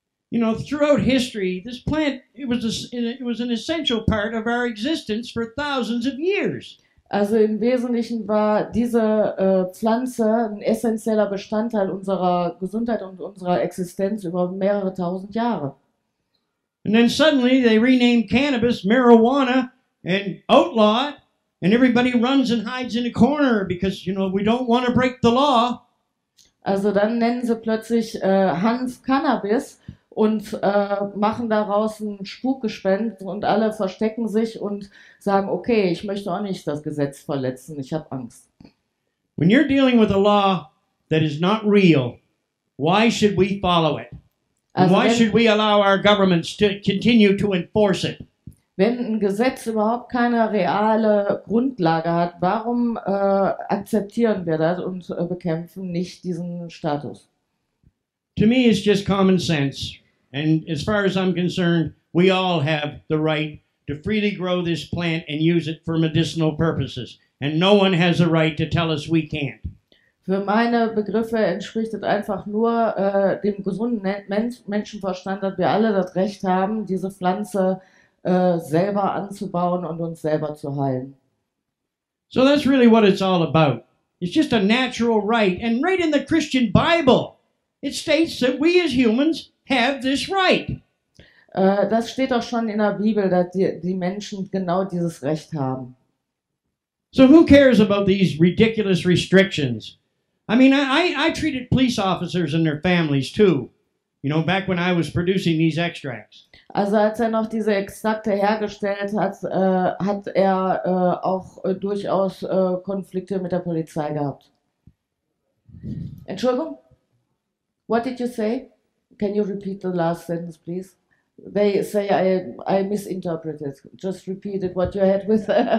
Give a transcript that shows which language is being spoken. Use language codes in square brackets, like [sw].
[en] You know, throughout history, this plant, it was an essential part of our existence for thousands of years. [de] Also im Wesentlichen war diese Pflanze ein essentieller Bestandteil unserer Gesundheit und unserer Existenz über mehrere tausend Jahre. [en] And then suddenly they renamed cannabis marijuana and outlawed. And everybody runs and hides in a corner because, you know, we don't want to break the law. [de] Also dann nennen sie plötzlich Hanf Cannabis und machen daraus ein Spukgespenst und alle verstecken sich und sagen, okay, ich möchte auch nicht das Gesetz verletzen, ich habe Angst. [en] When you're dealing with a law that is not real, why should we follow it? And why should we allow our governments to continue to enforce it? [de] Wenn ein Gesetz überhaupt keine reale Grundlage hat, warum akzeptieren wir das und bekämpfen nicht diesen Status? [en] To me it's just common sense. And as far as I'm concerned, we all have the right to freely grow this plant and use it for medicinal purposes. And no one has the right to tell us we can't. [de] Für meine Begriffe entspricht es einfach nur dem gesunden Menschenverstand, dass wir alle das Recht haben, diese Pflanze selber anzubauen und uns selber zu heilen. [en] So that's really what it's all about. It's just a natural right. And right in the Christian Bible, it states that we as humans have this right. [de] Das steht doch schon in der Bibel, dass die Menschen genau dieses Recht haben. [en] So who cares about these ridiculous restrictions? I mean, I treated police officers and their families too. You know, back when I was producing these extracts. [de] Also als er noch diese Extrakte hergestellt hat, hat er auch durchaus Konflikte mit der Polizei gehabt. Entschuldigung? [en] What did you say? Can you repeat the last sentence, please? They say I misinterpreted. Just repeated what you had with...